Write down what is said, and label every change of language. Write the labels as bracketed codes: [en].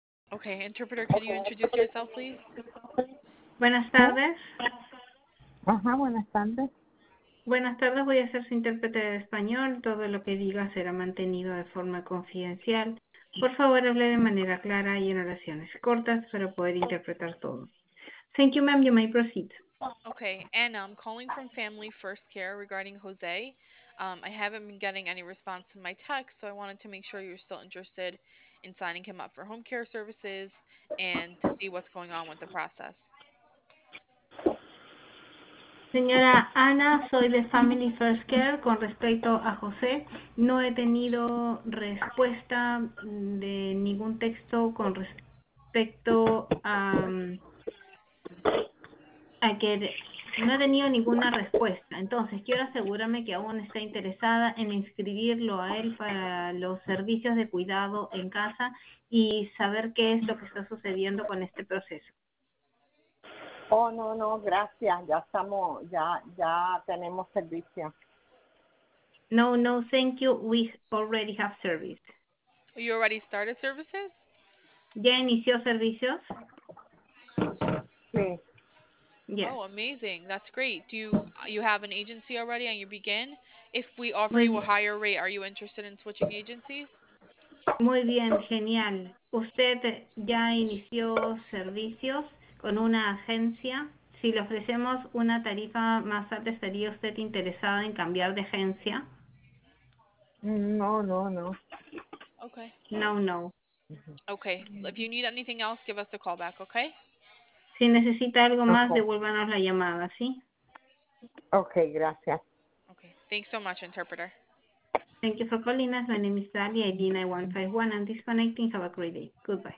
[en] Okay, interpreter, could you introduce yourself, please? [es] Buenas tardes. Ajá, buenas tardes. Buenas tardes, voy a ser su intérprete de español. Todo lo que diga será mantenido de forma confidencial. Por favor, hable de manera clara y en oraciones cortas para poder interpretar todo. [en] Thank you, ma'am. You may proceed. Okay, Anna, I'm calling from Family First Care regarding Jose. I haven't been getting any response in my text, so I wanted to make sure you're still interested in signing him up for home care services and to see what's going on with the process. [es] Señora Ana, soy de Family First Care. Con respecto a José, no he tenido respuesta de ningún texto con respecto a que no he tenido ninguna respuesta. Entonces, quiero asegurarme que aún está interesada en inscribirlo a él para los servicios de cuidado en casa y saber qué es lo que está sucediendo con este proceso. Oh, no, no, gracias. Ya estamos, ya tenemos servicio. [en] No, no, thank you. We already have service. You already started services? [es] ¿Ya inició servicios? Sí. [en] Yes. Oh, amazing. That's great. Do you have an agency already and you begin? If we offer you a higher rate, are you interested in switching agencies? [es] Muy bien, genial. Usted ya inició servicios con una agencia. Si le ofrecemos una tarifa más alta, ¿estaría usted interesada en cambiar de agencia? No, no, no. Okay. No, no. Okay. [en] If you need anything else, give us a call back, okay? [es] Si necesita algo más, devuélvanos la llamada, ¿sí? Okay, gracias. [en] Okay, thanks so much, interpreter. Thank you for calling us. My name is Dalia, ID 9151. I'm disconnecting. Have a great day. Goodbye.